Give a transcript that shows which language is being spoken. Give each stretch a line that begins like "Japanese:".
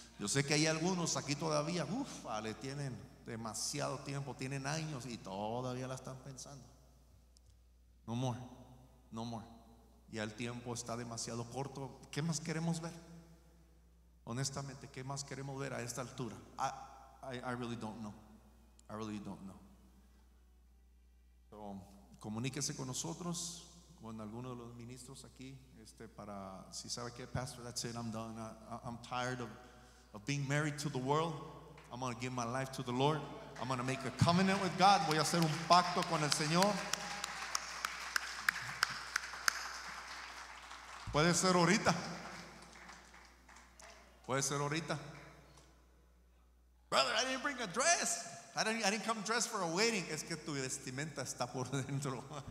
Spanish: Yo sé que hay algunos aquí todavía, le tienen demasiado tiempo, tienen años y todavía la están pensando.
English: No more, no more.
Spanish: Ya el tiempo está demasiado corto. ¿Qué más queremos ver? Honestamente, ¿qué más queremos ver a esta altura?
English: I really don't know.
Spanish: I really don't know. So, comuníquese con nosotros, con alguno de los ministros aquí, para, si sabe qué, pastor,
English: that's it, I'm done. I'm tired of being married to the world. I'm going to give my life to the Lord. I'm going to make a covenant with God.
Spanish: Voy a hacer un pacto con el Señor. Puede ser ahorita. Puede ser ahorita.
English: Brother, I didn't bring a dress. I didn't come dressed for a wedding.
Spanish: Es que tu vestimenta está por dentro.